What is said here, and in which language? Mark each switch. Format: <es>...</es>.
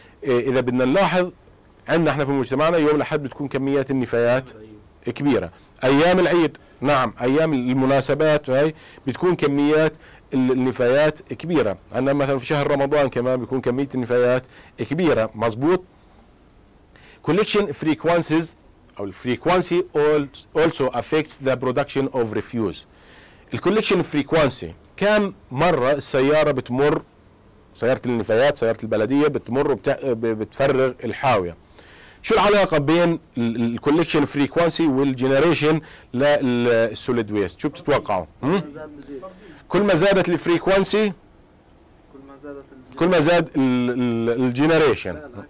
<ar>اذا بدنا نلاحظ عندنا احنا في مجتمعنا يوم الاحد بتكون كميات النفايات كبيره، ايام العيد نعم، ايام المناسبات هاي بتكون كميات النفايات كبيره، عندنا مثلا في شهر رمضان كمان بيكون كميه النفايات كبيره. مزبوط.</ar> <en>collection frequencies او الفريكوانسي also affects the production of refuse.</en> <ar>الكوليكشن فريكوانسي كم مره السياره بتمر، سياره النفايات سياره البلديه بتمر بتفرغ الحاويه. شو العلاقه بين الكوليكشن فريكوانسي والجينيريشن للسوليد ويست؟ شو بتتوقعوا؟ كل ما زادت الفريكوانسي كل ما زاد الجينيريشن.</ar>